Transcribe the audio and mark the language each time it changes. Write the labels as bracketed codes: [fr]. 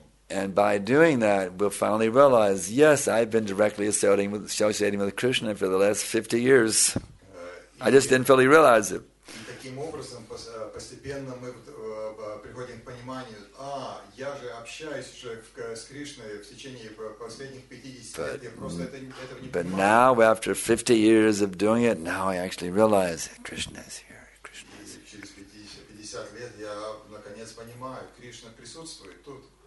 [en] And by doing that, we'll finally realize, yes, I've been directly associating with Krishna for the last 50 years. I just didn't fully realize it. [ru] Таким образом, постепенно мы приходим к пониманию, а, я же общаюсь уже с Кришной в течение последних 50 лет, я просто этого не понимаю. [en] But now, after 50 years of doing it, now I actually realize that Krishna is here, Krishna is here. [ru] Через 50 лет я наконец понимаю, Кришна присутствует тут.